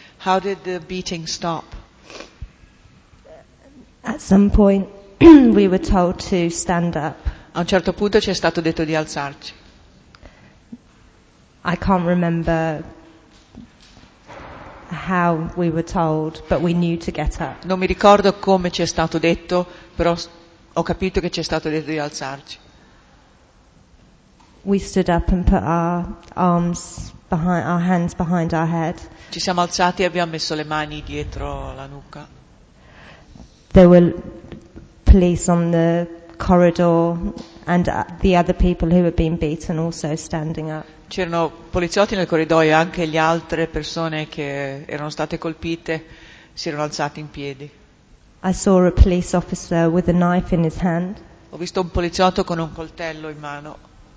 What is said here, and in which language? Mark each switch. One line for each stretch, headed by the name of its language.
English: How did the beating stop? At some point we were told to stand up.
Italian: A un certo punto ci è stato detto di alzarci.
English: I can't remember how we were told, but we knew to get up.
Italian: Non mi ricordo come ci è stato detto, però ho capito che ci è stato detto di alzarci.
English: We stood up and put our arms behind, our hands behind our head.
Italian: Ci siamo alzati e abbiamo messo le mani dietro la nuca.
English: There were police on the corridor and the other people who had been beaten also standing up.
Italian: C'erano poliziotti nel corridoio e anche le altre persone che erano state colpite si erano alzate in piedi.
English: I saw a police officer with a knife in his hand.
Italian: Ho visto un poliziotto con un coltello in mano.